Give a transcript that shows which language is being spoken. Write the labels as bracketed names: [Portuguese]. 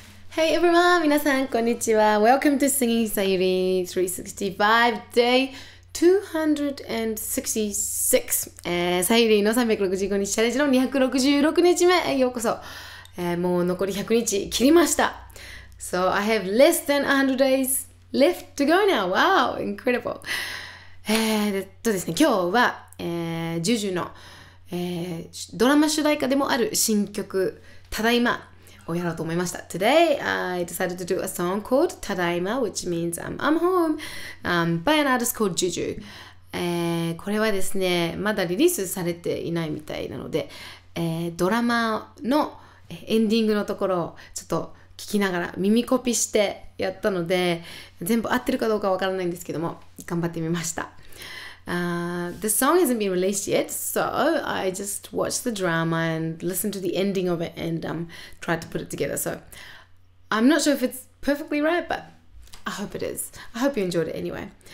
[English] Hey everyone! [Japanese] 皆さん、こんにちは。 [English] Welcome to Singing Sayuri 365 Day 266. [Japanese] Sayuri の365日チャレンジの266日目へようこそ。もう残り100日切りました。 [English] So I have less than 100 days left to go now. Wow! Incredible! [Japanese] ですね、今日は、JUJU の、ドラマ主題歌でもある新曲、ただいま。をやろうと思いました。 [English] Today, I decided to do a song called Tadaima, which means I'm home, by an artist called JUJU. [Japanese] これはですね、まだリリースされていないみたいなので、ドラマのエンディングのところをちょっと聞きながら耳コピしてやったので、全部合ってるかどうかわからないんですけども、頑張ってみました。 [English] The song hasn't been released yet, so I just watched the drama and listened to the ending of it and tried to put it together. So I'm not sure if it's perfectly right, but I hope it is. I hope you enjoyed it anyway.